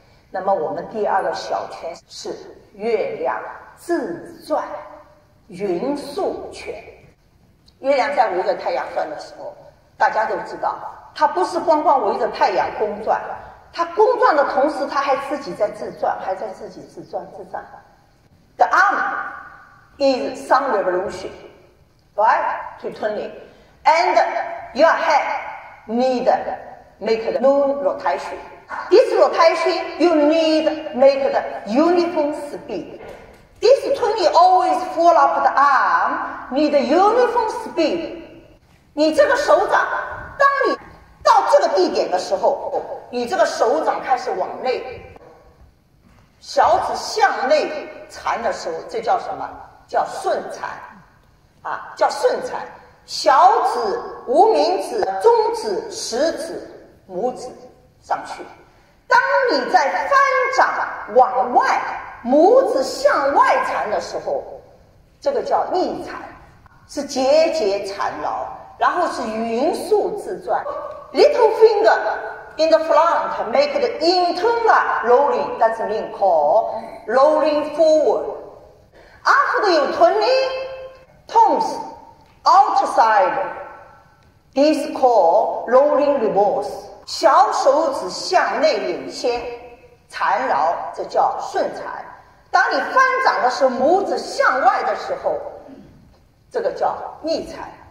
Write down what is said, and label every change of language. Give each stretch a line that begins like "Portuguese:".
Chinese: 那么我们第二个小圈是月亮自转。匀速圈，月亮在围着太阳转的时候，大家都知道，它不是光光围着太阳公转，它公转的同时，它还自己在自转，还在自己自转自转。
English: The arm is some revolution, right? To turning, and your head need make the moon rotation. This rotation you need make the uniform speed. This turning always. pull up the arm,
Chinese: 你的 uniform speed, 你这个手掌，当你到这个地点的时候，你这个手掌开始往内，小指向内缠的时候，这叫什么？叫顺缠，啊，叫顺缠。小指、无名指、中指、食指、拇指上去。当你在翻掌往外，拇指向外缠的时候，这个叫逆缠，是节节缠牢，然后是匀速自转。
English: Little finger in the front, make the internal rolling, that's mean called rolling forward. After you turning, thumbs outside, this called rolling reverse.
Chinese: 小手指向内领先，缠绕，这叫顺缠。当你翻掌的时候，拇指向外的时候，这个叫逆缠。